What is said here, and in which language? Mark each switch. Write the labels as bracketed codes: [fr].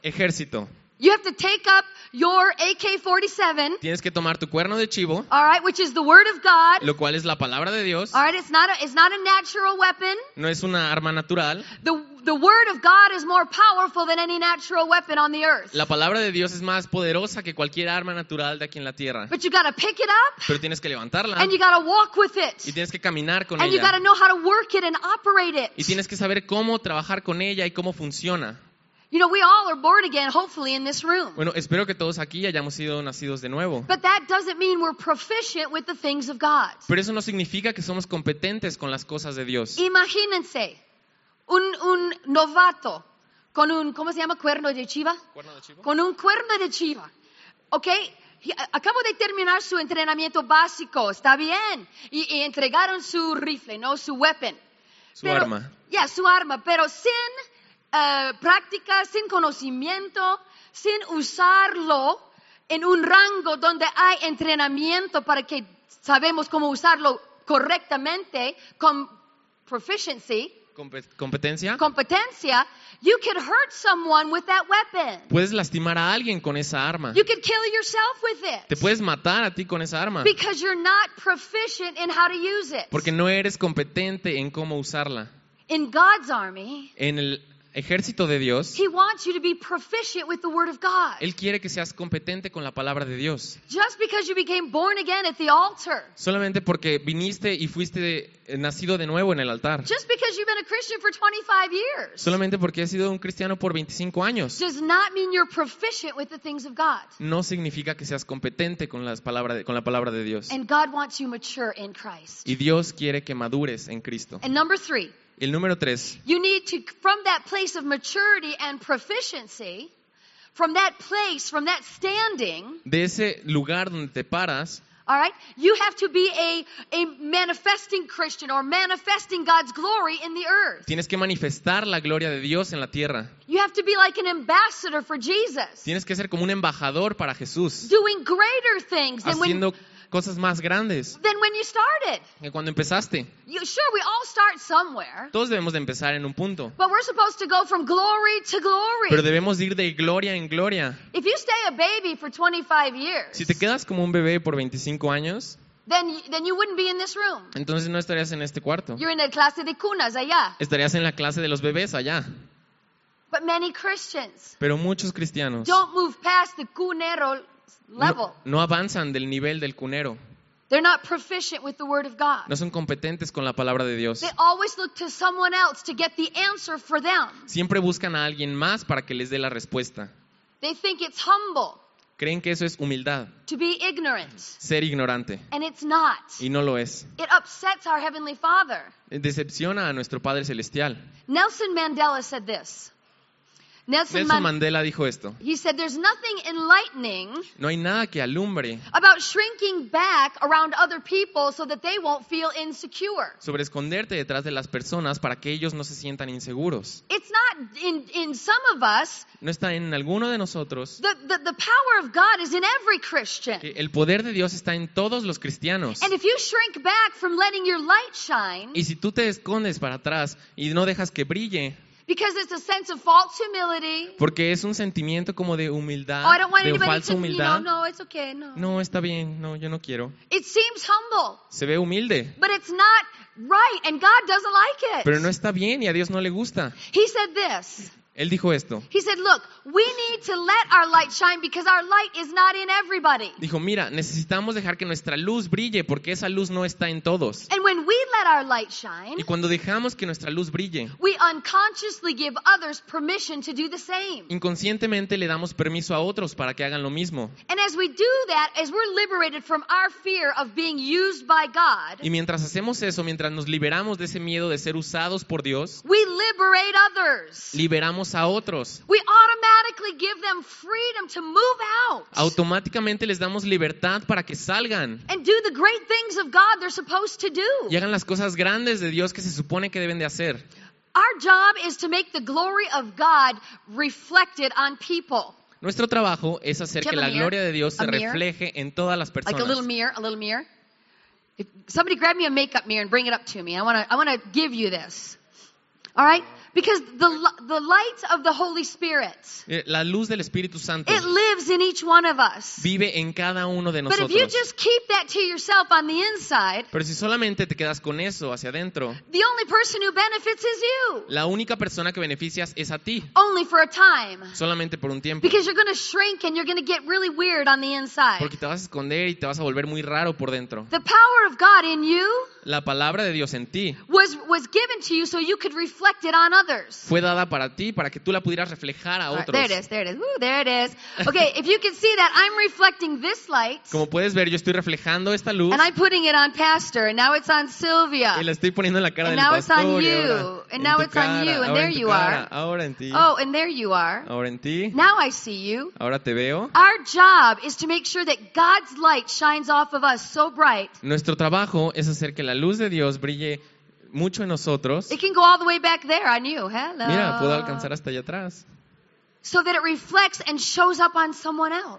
[es] Ejército. [en] You have to take up your AK-47. [es] Tienes que tomar tu cuerno de chivo. [en] All right, which is the word of God. [es] Lo cual es la palabra de Dios. [en] All right, it's not a natural weapon. [es] No es una arma natural. [en] The word of God is more powerful than any natural weapon on the earth. [es] La palabra de Dios es más poderosa que cualquier arma natural de aquí en la tierra. [en] But you got to pick it up. [es] Pero tienes que levantarla. [en] And you got to walk with it. [es] Y tienes que caminar con [en] and [es] ella. [en] And you got to know how to work it and operate it. [es] Y tienes que saber cómo trabajar con ella y cómo funciona. [en] You know, we all are born again, hopefully, in this room. [es] Bueno, espero que todos aquí hayamos sido nacidos de nuevo. [en] But that doesn't mean we're proficient with the things of God. [es] Pero eso no significa que somos competentes con las cosas de Dios. Imagínense, un novato con un, ¿cómo se llama? ¿Cuerno de chiva? ¿Cuerno de chivo? Con un cuerno de chiva. Okay. Acabo de terminar su entrenamiento básico, está bien. Y entregaron su rifle, ¿no? Su weapon. Su arma. Yeah, su arma, pero sin prácticas, sin conocimiento, sin usarlo en un rango donde hay entrenamiento para que sabemos cómo usarlo correctamente, con proficiency. ¿Competencia? [en] Competencia. You could hurt someone with that weapon. [es] Puedes lastimar a alguien con esa arma. [en] You could kill yourself with it. [es] Te puedes matar a ti con esa arma. [en] Because you're not proficient in how to use it. [es] Porque no eres competente en cómo usarla. [en] In God's army. [es] En el ejército de Dios. [en] He wants you to be proficient with the word of God. [es] Él quiere que seas competente con la palabra de Dios. [en] Just because you became born again at the altar. [es] Solamente porque viniste y fuiste nacido de nuevo en el altar. [en] Just because you've been a Christian for 25 years. [es] Solamente porque has sido un cristiano por 25 años. [en] Does not mean you're proficient with the things of God. [es] No significa que seas competente con la palabra de Dios. [en] And God wants you mature in Christ. [es] Y Dios quiere que madures en Cristo. [en] And number 3. [es] El número 3. [en] You need to, from that place of maturity and proficiency, from that place, from that standing, [es] de ese lugar donde te paras, [en] all right, you have to be a manifesting Christian or manifesting God's glory in the earth. [es] Tienes que manifestar la gloria de Dios en la tierra. [en] You have to be like an ambassador for Jesus. [es] Tienes que ser como un embajador para Jesús. [en] Doing greater things than when [es] cosas más grandes que cuando empezaste. [en] Sure, we all start somewhere. [es] Todos debemos de empezar en un punto. [en] But we're supposed to go from glory to glory. [es] Pero debemos ir de gloria en gloria. [en] If you stay a baby for 25 years, [es] si te quedas como un bebé por 25 años, [en] then you wouldn't be in this room. [es] Entonces no estarías en este cuarto. [en] You're in the [es] clase de cunas allá. Estarías en la clase de los bebés allá. [en] But many Christians, [es] pero muchos cristianos, [en] don't move past the cunero. [es] No avanzan del nivel del cunero. [en] They're not proficient with the word of God. [es] No son competentes con la palabra de Dios. [en] They always look to someone else to get the answer for them. [es] Siempre buscan a alguien más para que les dé la respuesta. [en] They think it's humble. [es] Creen que eso es humildad. [en] To be ignorant. [es] Ser ignorante. [en] And it's not. [es] Y no lo es. [en] It upsets our heavenly Father. [es] Decepciona a nuestro Padre Celestial. [en] Nelson Mandela said this. [es] Nelson Mandela dijo esto. [en] He said, "There's nothing enlightening." [es] No hay nada que alumbre. [en] About shrinking back around other people so that they won't feel insecure. [es] Sobre esconderte detrás de las personas para que ellos no se sientan inseguros. [en] It's not in some of us. [es] No está en alguno de nosotros. [en] The power of God is in every Christian. [es] El poder de Dios está en todos los cristianos. [en] And if you shrink back from letting your light shine. [es] Y si tú te escondes para atrás y no dejas que brille. [en] Because it's a sense of false humility. [es] Porque es un sentimiento como de humildad, [en] oh, I don't want [es] de falsa [en] to, [es] humildad. [en] No, it's okay, no. [es] No, está bien, no, yo no quiero. [en] It seems humble. [es] Se ve humilde. [en] But it's not right and God doesn't like it. [es] Pero no está bien y a Dios no le gusta. [en] He said this. [es] Él dijo esto. [en] He said, "Look, we need to let our light shine because our light is not in everybody." [es] Dijo, "Mira, necesitamos dejar que nuestra luz brille porque esa luz no está en todos." [en] And when we let our light shine, [es] y cuando dejamos que nuestra luz brille, [en] we unconsciously give others permission to do the same. [es] Inconscientemente le damos permiso a otros para que hagan lo mismo. [en] And as we do that, as we're liberated from our fear of being used by God, [es] y mientras hacemos eso, mientras nos liberamos de ese miedo de ser usados por Dios, [en] we liberate others. [es] Liberamos a otros. [en] We automatically give them freedom to move out. [es] Automáticamente les damos libertad para que salgan. [en] And do the great things of God they're supposed to do. [es] Y hagan las cosas grandes de Dios que se supone que deben de hacer. [en] Our job is to make the glory of God reflected on people. [es] Nuestro trabajo es hacer que la gloria de Dios se refleje en todas las personas. [en] Like a little mirror, a little mirror. If somebody grab me a makeup mirror and bring it up to me. I want to give you this. All right? Because the light of the Holy Spirit, [es] la luz del Espíritu Santo, [en] it lives in each one of us. [es] Vive en cada uno de nosotros. [en] But if you just keep that to yourself on the inside, [es] pero si solamente te quedas con eso hacia adentro, [en] the only person who benefits is you. [es] La única persona que beneficias es a ti. [en] Only for a time. [es] Solamente por un tiempo. [en] Because you're going to shrink and you're going to get really weird on the inside. [es] Porque te vas a esconder y te vas a volver muy raro por dentro. [en] The power of God in you, [es] la palabra de Dios en ti, [en] was given to you so you could reflect it on others. [es] Fue dada para ti para que tú la pudieras reflejar a otros. [en] There it is, there it is. Ooh, there it is. Okay, if you can see that, I'm reflecting this light. [es] Como puedes ver, yo estoy reflejando esta luz. [en] And I'm putting it on Pastor, and now it's on Sylvia. [es] Y la estoy poniendo en la cara [en] and [es] del pastor. [en] And now it's on you. And now it's [es] cara, [en] on you. And there you [es] cara, [en] are. [es] Ahora en ti. [en] Oh, and there you are. [es] Ahora en ti. [en] Now I see you. [es] Ahora te veo. [en] Our job is to make sure that God's light shines off of us so bright. [es] Nuestro trabajo es hacer que la luz de Dios brille mucho en nosotros. [en] It can go all the way back there. I knew. Hello. [es] Mira, puedo alcanzar hasta allá atrás. [en] So that it reflects and shows up on someone else.